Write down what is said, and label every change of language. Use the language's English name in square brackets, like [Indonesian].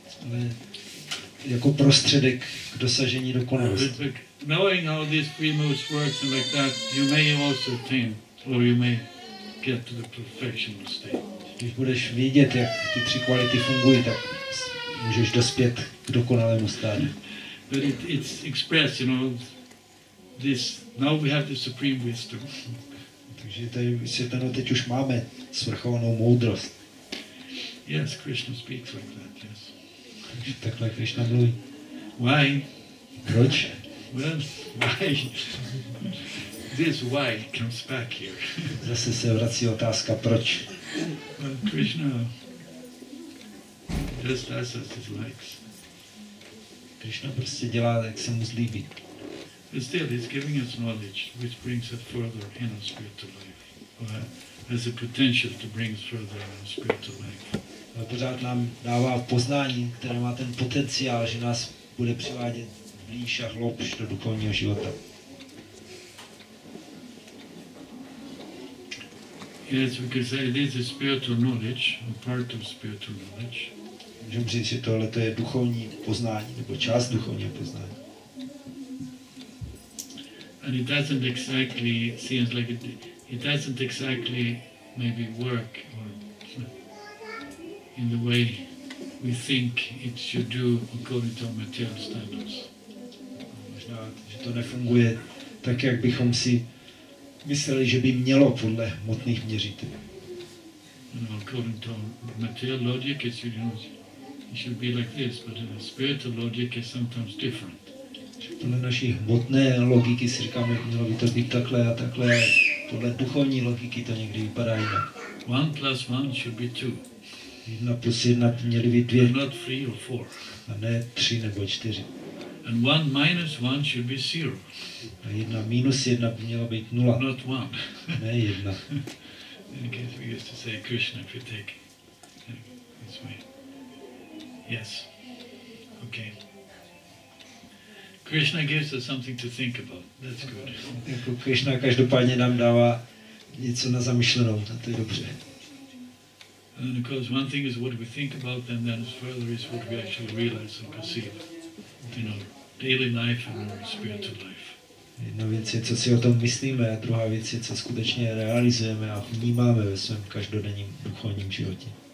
[Czech] Ale jako prostředek k dosažení dokonalosti. [English] But knowing how these three modes work and like that, you may also attain, or you may get to the perfection state. [Czech] Když budeš vidět, jak ty tři kvality fungují, tak můžeš dospět k dokonalému stádiu. [English] But it's expressed, you know, this, now we have the supreme wisdom. [Czech] Takže tady vysvětleno, teď už máme svrchovanou moudrost. [English] Yes, Krishna speaks like that, yes. [Czech] Takže takhle Krishna mluví. [English] Why? [Czech] Proč? [English] Well, why? This why comes back here. [Czech] Zase se vrací otázka, proč? [English] Well, Krishna just does as he likes. [Czech] Krishna prostě dělá, jak se mu zlíbí. [English] But still, he's giving us knowledge, which brings us further in our spiritual life. Has a potential to bring us further in our spiritual life. [Czech] Ale pořád nám dává poznání, které má ten potenciál, že nás bude přivádět blíž a hloubš do duchovního života. [English] Yes, we can say this is spiritual knowledge, or part of spiritual knowledge. [Czech] Můžeme říct, že tohle to je duchovní poznání, nebo část duchovního poznání. [English] And it doesn't exactly seems like it doesn't exactly maybe work or in the way we think it should do according to material standards. [Czech] Možná, že to nefunguje tak, jak bychom si mysleli, že by mělo podle hmotných měřitelů. [English] According to material logic, it should, you know, it should be like this, but the spiritual logic is sometimes different. [Czech] Podle naší hmotné logiky si říkáme, mělo by to být takhle a takhle. Podle duchovní logiky to někdy vypadá jinak. [English] 1 + 1 should be 2. [Czech] 1 + 1 by měly být 2. [English] And not 3 or 4. [Czech] A ne 3 nebo 4. [English] And 1 - 1 should be 0. [Czech] A 1 - 1 by měla být 0. [English] Not 1. [Czech] Ne 1. [English] In case we used to say Krishna, if you take this way. Yes. Okay. Krishna gives us something to think about. That's good. [Czech] Jako Krishna každopádně nám dává něco na zamyšlenou. A to je dobře. [English] And of course, one thing is what we think about, and then further is what we actually realize and perceive in our daily life and our spiritual life. [Czech] Jedna věc je, co si o tom myslíme, a druhá věc je, co skutečně realizujeme a vnímáme ve svém každodenním duchovním životě.